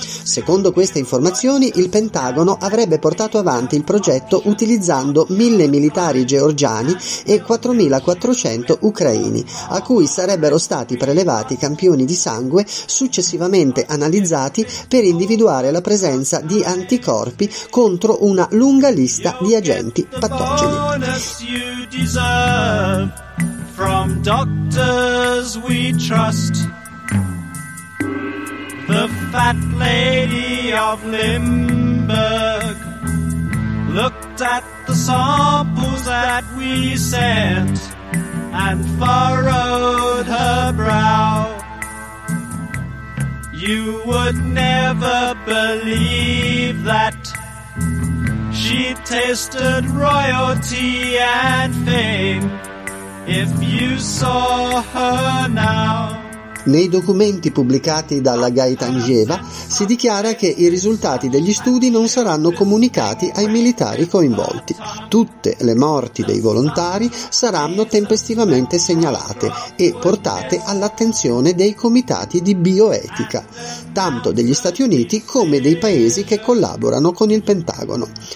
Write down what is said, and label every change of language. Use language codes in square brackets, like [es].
[it] Secondo queste informazioni, il Pentagono avrebbe portato avanti il progetto utilizzando 1000 militari georgiani e 4400 ucraini, a cui sarebbero stati prelevati campioni di sangue successivamente analizzati per individuare la presenza di anticorpi contro una lunga lista di agenti patogeni. [en] From doctors we trust, the fat lady of Limburg looked at the samples that we sent and furrowed her brow. You would never believe that she tasted royalty and fame if you saw her now. [it] Nei documenti pubblicati dalla Gaitanjeva si dichiara che i risultati degli studi non saranno comunicati ai militari coinvolti. Tutte le morti dei volontari saranno tempestivamente segnalate e portate all'attenzione dei comitati di bioetica, tanto degli Stati Uniti come dei paesi che collaborano con il Pentagono.